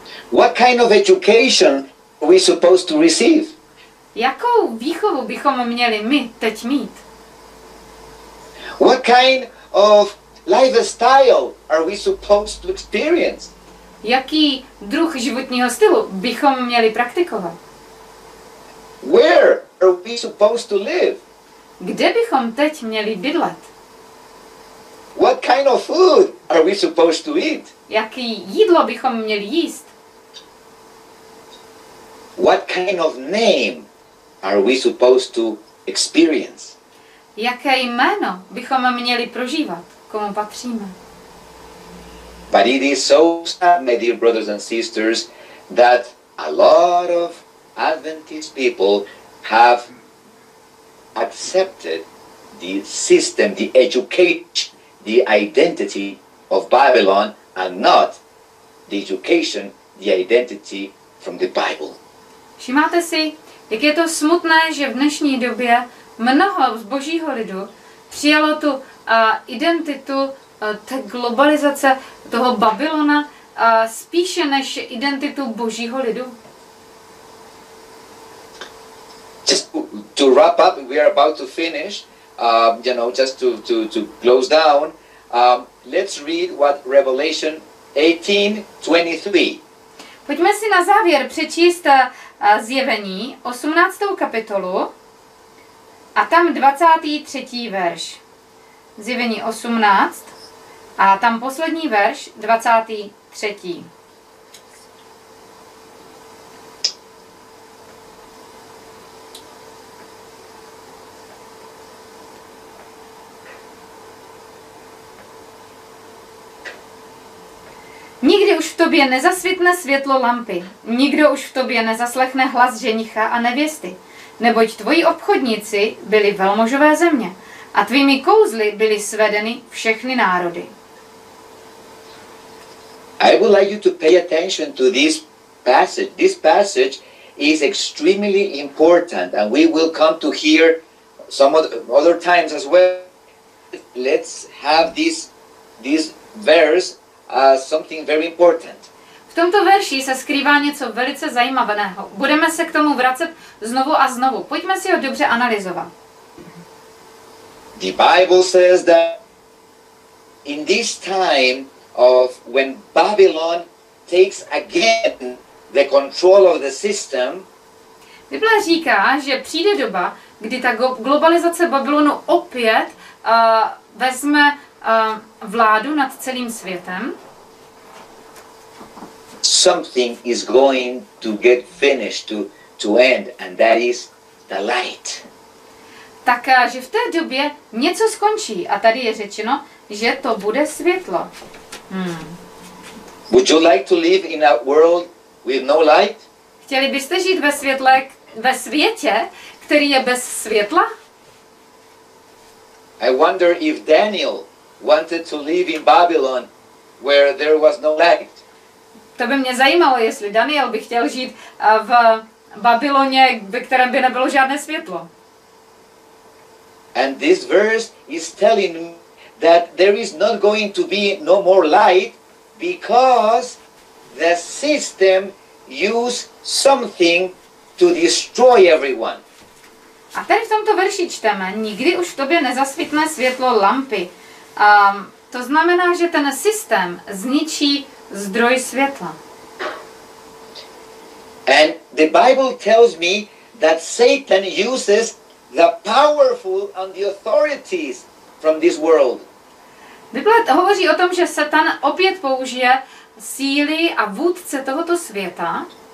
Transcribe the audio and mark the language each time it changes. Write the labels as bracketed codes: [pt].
[en] What kind of education are we supposed to receive? [cs] Jakou výchovu bychom měli my teď mít? [en] What kind of lifestyle are we supposed to experience? [cs] Jaký druh životního stylu bychom měli praktikovat? [en] Where are we supposed to live? [cs] Kde bychom teď měli bydlet? [en] What kind of food are we supposed to eat? [cs] Jaký jídlo bychom měli jíst? [en] What kind of name are we supposed to experience? [cs] Jaké jméno bychom měli prožívat, komu patříme? [en] But it is so sad, my dear brothers and sisters, that a lot of Adventist people have accepted the system, the education, the identity of Babylon, and not the education, the identity from the Bible. [cs] Všimáte si, jak je to smutné, že v dnešní době mnoho z Božího lidu přijalo tu identitu té globalizace toho Babylona spíše než identitu Božího lidu. [en] Just to wrap up, we are about to finish, you know, just to close down, let's read what Revelation 18:23. [cs] Pojďme si na závěr přečíst zjevení 18. kapitolu. A tam 23. verš, zjevení 18, a tam poslední verš, 23. Nikdy už v tobě nezasvitne světlo lampy, nikdo už v tobě nezaslechne hlas ženicha a nevěsty. Neboť tvoji obchodníci byli velmožové země a tvými kouzly byly svedeny všechny národy. [en] I would like you to pay attention to this passage. This passage is extremely important and we will come to hear some other times as well. Let's have this verse as something very important. [cs] V tomto verši se skrývá něco velice zajímavého. Budeme se k tomu vracet znovu a znovu. Pojďme si ho dobře analyzovat. [en] The Bible says that in this time of when Babylon takes again the control of the system. [cs] Bible říká, že přijde doba, kdy ta globalizace Babylonu opět vezme vládu nad celým světem. [en] Something is going to get finished, to end, and that is the light. [cs] Tak, že v té době něco skončí a tady je řečeno, že to bude světlo. [en] Would you like to live in a world with no light? [cs] Chtěli byste žít ve světě, který je bez světla? [en] I wonder if Daniel wanted to live in Babylon where there was no light. [cs] To by mě zajímalo, jestli Daniel by chtěl žít v Babyloně, ve kterém by nebylo žádné světlo. [en] And this verse is telling me that there is not going to be no more light because the system used something to destroy everyone. [cs] A tady v tomto verši čteme, nikdy už v tobě nezasvítne světlo lampy. To znamená, že ten systém zničí zdroj světla. [en] And the Bible tells me that Satan uses the powerful and the authorities from this world. [cs] Bible hovoří o tom, že Satan opět použije síly a vůdce tohoto světa.